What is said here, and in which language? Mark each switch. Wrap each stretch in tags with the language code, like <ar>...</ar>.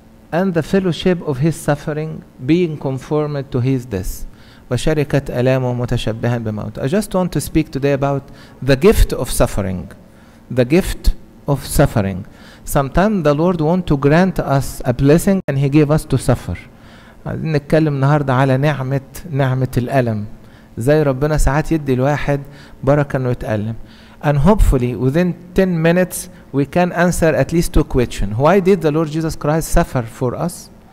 <en>And the fellowship of his suffering, being conformed to his death.</en> <ar>وشركة ألامه متشبها بموت.</ar> <en>I just want to speak today about the gift of suffering. The gift of suffering. Sometimes the Lord wants to grant us a blessing and He gave us to suffer.</en> <ar>نتكلم النهاردة على نعمة الألم. زي ربنا ساعات يدي الواحد بركة أنه يتألم.</ar> <en>And hopefully within 10 minutes we can answer at least two questions. Why did the Lord Jesus Christ suffer for us?</en>